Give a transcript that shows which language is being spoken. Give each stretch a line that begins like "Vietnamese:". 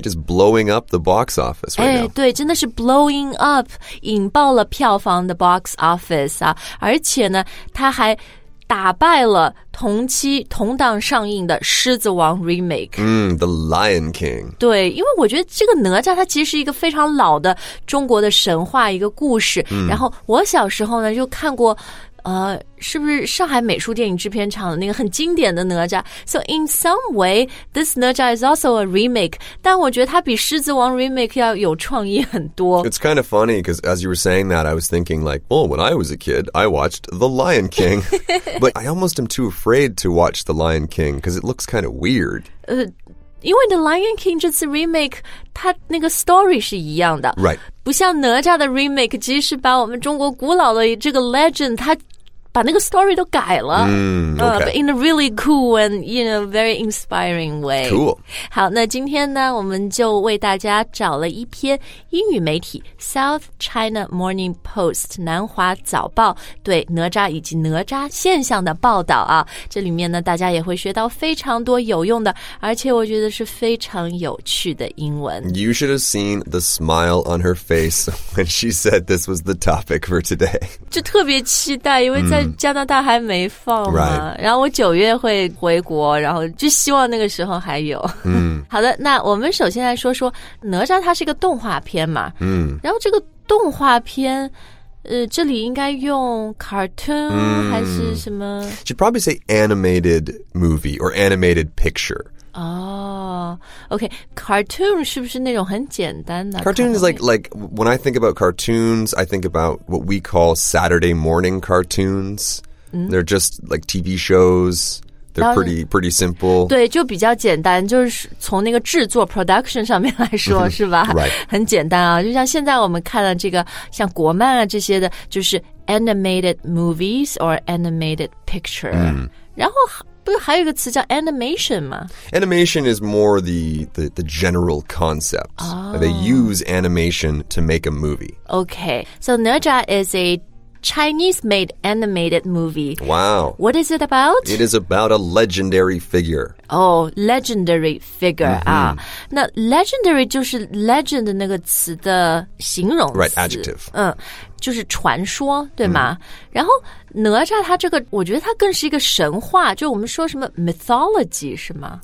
English: Just blowing up the box office right now.
Chinese: 对，真的是
English: blowing up,
Chinese: 引爆了票房的 box office 啊。而且呢，它还打败了同期同档上映的狮子王 remake、
English: The Lion King。
Chinese: 对，因为我觉得这个哪吒它其实是一个非常老的中国的神话一个故事、然后我小时候呢就看过是不是上海美术电影制片厂的那个很经典的哪吒。
English: So in some way this 哪吒 is also a remake,
Chinese: 但我觉得它比狮子王 remake 要有创意很多。
English: It's kind of funny because as you were saying that I was thinking like, well, when I was a kid I watched The Lion King. But I almost am too afraid to watch The Lion King because it looks kind of weird.
Chinese: 因为 The Lion King 这次 remake 它那个 story 是一样的。
English: Right.
Chinese: 不像哪吒的 remake 其实是把我们中国古老的这个 legend 它把那个 story 都改了、
English: okay. In a really cool and, you know, very inspiring way. Cool.
Chinese: 好，那今天呢，我们就为大家找了一篇英语媒体 South China Morning Post 南华早报对哪吒以及哪吒现象的报道啊。这里面呢，大家也会学到非常多有用的，而且我觉得是非常有趣的英文。
English: You should have seen the smile on her face when she said this was the topic for today.
Chinese: 就特别期待，因为在加拿大还没放嘛、
English: right.
Chinese: 然后我九月会回国，然后就希望那个时候还有、好的，那我们首先来说说哪吒，它是一个动画片嘛、然后这个动画片这里应该用 cartoon、还是什么
English: should probably say animated movie or animated picture.
Chinese: Okay, cartoon 是不是那种很简单的
English: cartoon is like when I think about cartoons, I think about what we call Saturday morning cartoons.、They're just like TV shows. They're pretty simple.
Chinese: 对，就比较简单，就是从那个制作 production 上面来说，是吧？
English: Right.
Chinese: 很简单啊，就像现在我们看了这个像国漫啊这些的，就是
English: animated movies or animated picture.、
Chinese: 然后不是还有一个词叫 animation 吗？
English: Animation is more the general concept.、They use animation to make a movie. Okay, so Ninja is a Chinese-made animated movie. Wow. What is it about? It is about a legendary figure. Oh, legendary figure.、
Chinese: 那 legendary 就是 legend 那个词的形容词。
English: Right, adjective.
Chinese: 就是传说，对吗？然后哪吒它这个，我觉得它更是一个神话，就我们说什么 mythology 是吗？